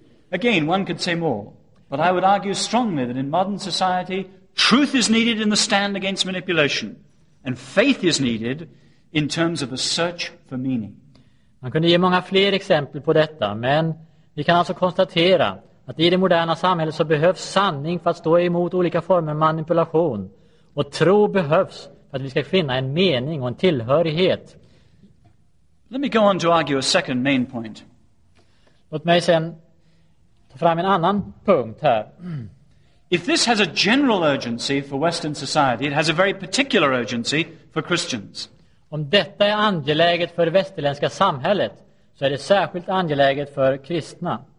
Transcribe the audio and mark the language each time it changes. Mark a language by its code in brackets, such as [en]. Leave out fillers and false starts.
[en] Again, one could say more. But I would argue strongly that in modern society, truth is needed in the stand against manipulation. And faith is needed in terms of the search for meaning. [sv] Man kunde ge många fler exempel på detta, men vi kan alltså konstatera att i det moderna samhället så behövs sanning för att stå emot olika former av manipulation. Och tro behövs för att vi ska finna en mening och en tillhörighet. [en] Let me go on to argue a second main point. [sv] Låt mig sen ta fram en annan punkt här. [en] If this has a general urgency for Western society, it has a very particular urgency for Christians. [sv] Om detta är angeläget för det västerländska samhället, så är det särskilt angeläget för kristna.